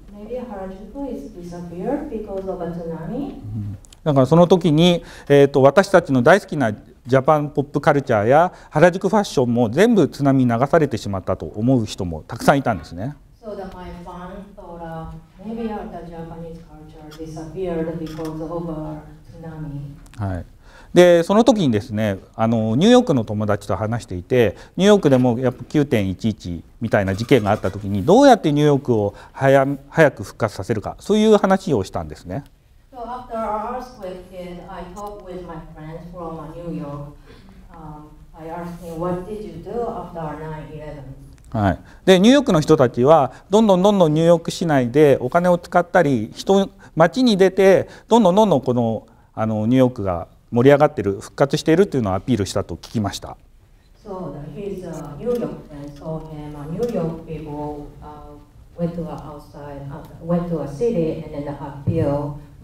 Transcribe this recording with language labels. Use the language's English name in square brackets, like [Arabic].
[English] Maybe Harajuku is disappeared because of a tsunami. [Japanese] だからその時に、私たちの大好きなジャパンポップカルチャーや原宿ファッションも全部津波に流されてしまったと思う人もたくさんいたんですね。 [English] So that my fan thought maybe the Japanese culture disappeared because of a tsunami. [Japanese] はい。でその時にですね、ニューヨークの友達と話していて、ニューヨークでもやっぱ 9.11 みたいな事件があった時にどうやってニューヨークを 早く復活させるか、そういう話をしたんですね。 [English] So after our earthquake hit, I talked with my friends from New York. I asked him, what did you do after 9/11? [Japanese] はい、でニューヨークの人たちはどんどんどんどんニューヨーク市内でお金を使ったり、人街に出てどんどんどんどんこの、ニューヨークが盛り上がってる、復活しているというのをアピールしたと聞きました。 [English] So his New York friends told him, New York people went to a city and then appeal.